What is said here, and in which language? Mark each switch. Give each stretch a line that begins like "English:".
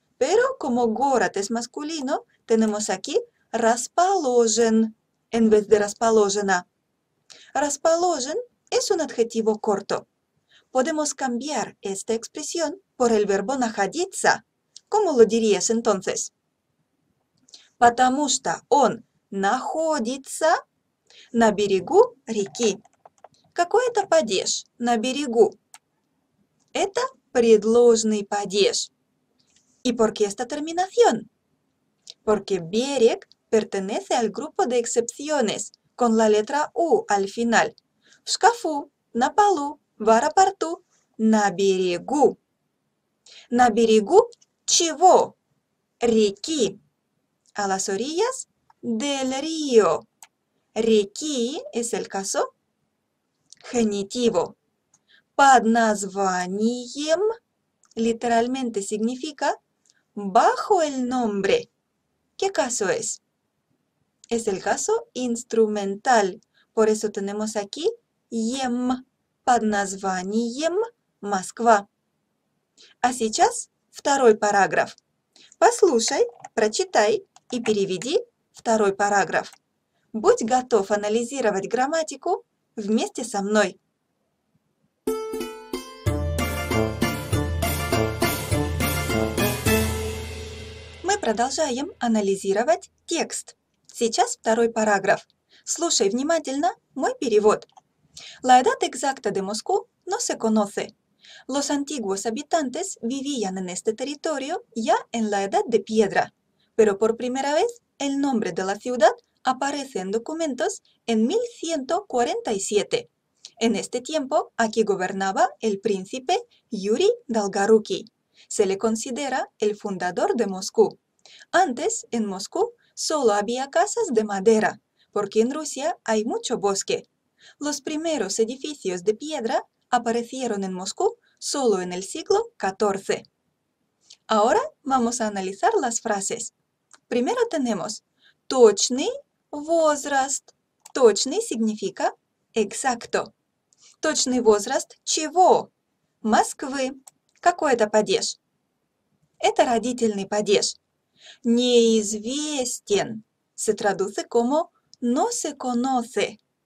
Spanish: Pero como город es masculino, tenemos aquí расположен en vez de расположена. Расположен es un adjetivo corto. Podemos cambiar esta expresión por el verbo находиться. ¿Cómo lo dirías entonces?
Russian: Потому что он находится на берегу реки. Какой это падеж на берегу? Это предложный падеж.
Spanish: ¿Y por qué esta terminación? Porque берег pertenece al grupo de excepciones con la letra U al final.
Russian: В шкафу, на полу, в аэропорту, на берегу. На берегу чего? Реки.
Spanish: A las orillas del río. Реки es el caso genitivo.
Russian: Под названием
Spanish: literalmente significa bajo el nombre. ¿Qué caso es? Es el caso instrumental. Por eso tenemos aquí «ем».
Russian: Под названием «Москва». А сейчас второй параграф. Послушай, прочитай и переведи второй параграф. Будь готов анализировать грамматику вместе со мной. Мы продолжаем анализировать текст. Сейчас второй параграф. Слушай внимательно мой перевод.
Spanish: La edad exacta de Moscú no se conoce. Los antiguos habitantes vivían en este territorio ya en la Edad de Piedra, pero por primera vez el nombre de la ciudad aparece en documentos en 1147. En este tiempo, aquí gobernaba el príncipe Yuri Dolgoruki. Se le considera el fundador de Moscú. Antes, en Moscú, solo había casas de madera, porque en Rusia hay mucho bosque. Los primeros edificios de piedra aparecieron en Moscú solo en el siglo XIV. Ahora vamos a analizar las frases. Primero tenemos
Russian: «точный возраст».
Spanish: «Точный» significa «exacto».
Russian: «Точный возраст чего?» «Москвы». Какой это падеж? Это родительный падеж.
Spanish: «Неизвестен» se traduce como «no se conoce».